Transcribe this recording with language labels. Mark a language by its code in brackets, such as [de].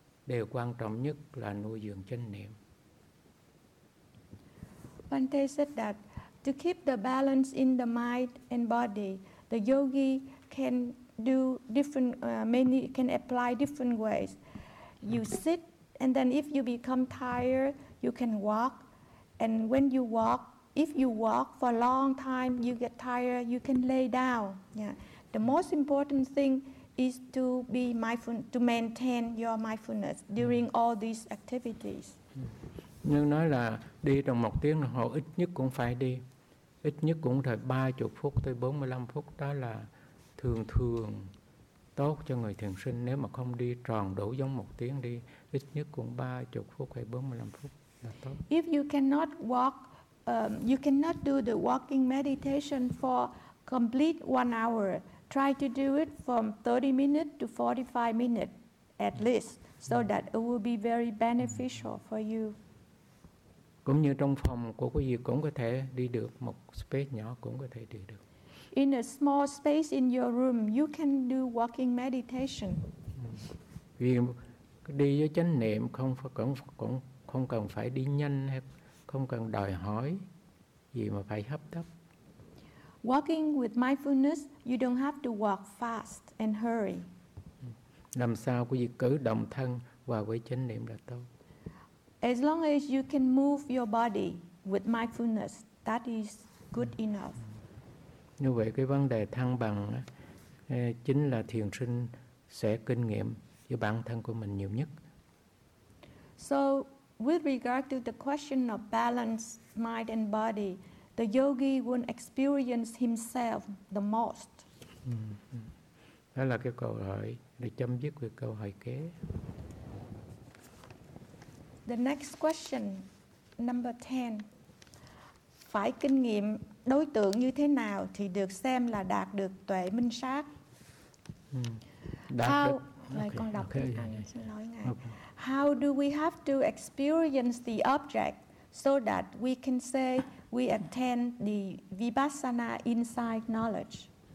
[vi] Điều quan trọng nhất là nuôi dưỡng chánh niệm. [en] Bhante said that to keep the balance in the mind and body, the yogi can do different, many can apply different ways. You sit, and then if you become tired, you can walk. And when you walk, if you walk for a long time, you get tired, you can lay down. Yeah. The most important thing is to be mindful, to maintain your mindfulness during all these activities. [vi] Nhưng nói là đi trong một tiếng đồng hồ ít nhất cũng phải đi. Ít nhất cũng phải 30 phút tới 45 phút. Đó là thường thường tốt cho người thiền sinh. Nếu mà không đi tròn đủ giống một tiếng đi, ít nhất cũng 30 phút hay 45 phút. [en] If you cannot walk, you cannot do the walking meditation for complete 1 hour. Try to do it from 30 minutes to 45 minutes at least, so that it will be very beneficial for you. [vi] Cũng như trong phòng của quý vị cũng có thể đi được, một space nhỏ cũng có thể đi được. [en] In a small space in your room, you can do walking meditation. [vi] Vì đi với chánh niệm không cần phải đi nhanh hay không cần đòi hỏi gì mà phải hấp tấp. [en] Walking with mindfulness, you don't have to walk fast and hurry. [vi] Làm sao quý vị cử động thân và với chánh niệm là tốt. [en] As long as you can move your body with mindfulness, that is good enough. [vi] Như vậy cái vấn đề thăng bằng chính là thiền sinh sẽ kinh nghiệm với bản thân của mình nhiều nhất. [en] So with regard to the question of balance, mind and body, the yogi will experience himself the most. [vi] Đó là cái câu hỏi để chấm dứt về câu hỏi kế. [en] The next question, number 10. [vi] Phải kinh nghiệm đối tượng như thế nào thì được xem là đạt được tuệ minh sát? [en] How do we have to experience the object so that we can say we attain the vipassana insight knowledge?